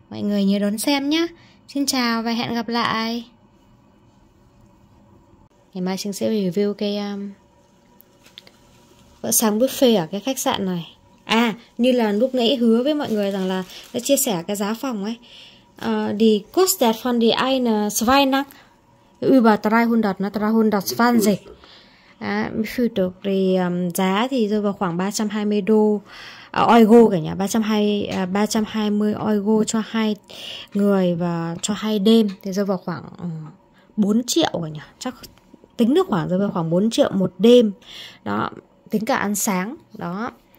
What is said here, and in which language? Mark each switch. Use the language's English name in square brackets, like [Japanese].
[Vietnamese] Mọi người nhớ đón xem nhé. Xin chào và hẹn gặp lại. Ngày mai Trinh sẽ review cái bữa sáng buffet ở cái khách sạn này. À, như là lúc nãy hứa với mọi người rằng là sẽ chia sẻ cái giá phòng ấy. [German] Die kostet von die eine zwei Nacht über 300 Schweizer. [Vietnamese] À, thì giá thì rơi vào khoảng 320 đô euro cả nhà, 320 euro cho hai người và cho hai đêm thì rơi vào khoảng 4 triệu cả nhà. Chắc tính được khoảng rơi vào khoảng 4 triệu một đêm. Đó, tính cả ăn sáng đó.